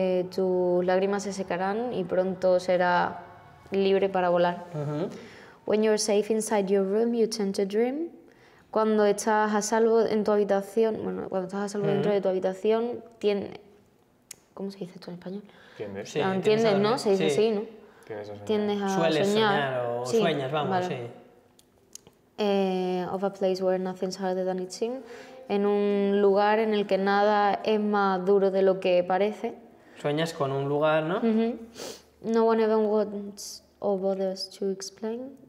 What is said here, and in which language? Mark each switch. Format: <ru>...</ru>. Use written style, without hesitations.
<es>Tus lágrimas se secarán y pronto será libre para volar. Uh-huh.</es> <en>When you're safe inside your room, you tend to dream.</en> <es>Cuando estás a salvo en tu habitación, bueno, cuando estás a salvo dentro de tu habitación, tiende... ¿Cómo se dice esto en español? Tiendes. Sí, tiendes, ¿no? Se dice sí. Sí, ¿no? Tiendes a soñar. Tiendes a sueles soñar. O sí. Sueñas, vamos, vale. Sí.</es> <en>Of a place where nothing's harder than it seems.</en> <es>En un lugar en el que nada es más duro de lo que parece. Sueñas con un lugar, ¿no? Mm-hmm.</es> <en>No one ever wants or bothers to explain.</en>